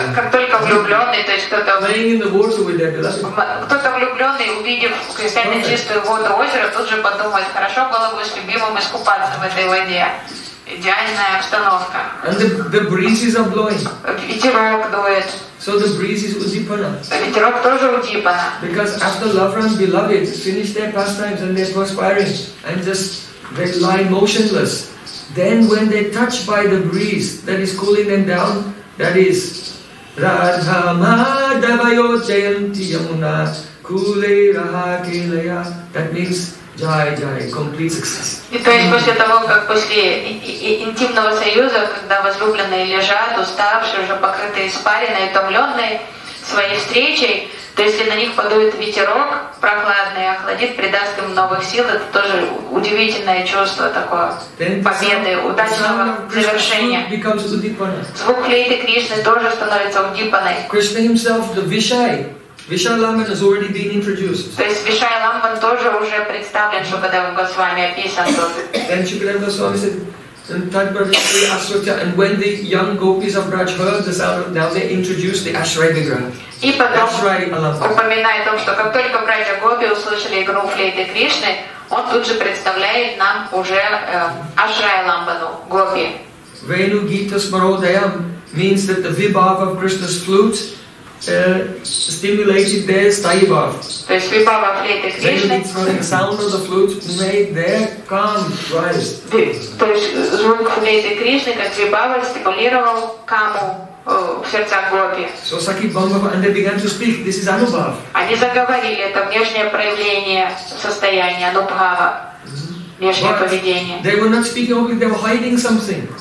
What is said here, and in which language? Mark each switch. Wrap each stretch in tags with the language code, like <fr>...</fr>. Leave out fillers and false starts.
<en>Playing in the water with their beloved.</en> <ru>Кто-то влюбленный, увидев кристально чистую воду озера, тут же подумает, хорошо было бы с любимым искупаться в этой воде. Идеальная обстановка.</ru> <en>And the breezes are blowing.</en> <ru>Ветерок дует.</ru> <en>So the breeze is Udipana.</en> <ru>Ветерок тоже Удипана.</ru> <en>Because after lovers, beloved, finish their pastimes and they're perspiring and just they lie motionless. Then when they touch by the breeze that is cooling them down, that is Radha Madhavayo Jayanti Yamuna Kule Raha Kelaya. That means Jai Jai, complete success.</en> <ru>И то есть после того, как после интимного союза, когда возлюбленные лежат, уставшие, уже покрытые испариной, утомленные своей встречей, то если на них подует ветерок прохладный, охладит, придаст им новых сил, это тоже удивительное чувство такое победы, удачного завершения. Звук флейты Кришны тоже становится удипаной.</ru> <en>Кришна himself, the Vishai. Vishalaman has already been introduced.</en> <ru>То есть Вишайламан тоже уже представлен, Шукадева Госвами описан тут.</ru> <en>Then Shukadeva Goswami said, and that brother Sri Ashrutya, and when the young gopis of Braj heard the sound of, now they introduced the Ashray Vigra.</en> <ru>И потом упоминает о том, что как только братья гопи услышали игру флейты Кришны, он тут же представляет нам уже Ашрайламану гопи.</ru> <en>Venu Gita Smarodayam means that the vibhav of Krishna's flute stimulated their staiva.</en> <ru>То есть вибава флейты Кришны.</ru> <en>The sound of the flute made their calm rise.</en> <ru>То есть звук флейты Кришны как вибава стимулировал каму в сердцах гопи.</ru> <en>So Saki Bhangava, and they began to speak. This is anubhav.</en> <ru>Они заговорили, это внешнее проявление состояния анубхава.</ru> <en>But they were not speaking openly, they were hiding something.</en>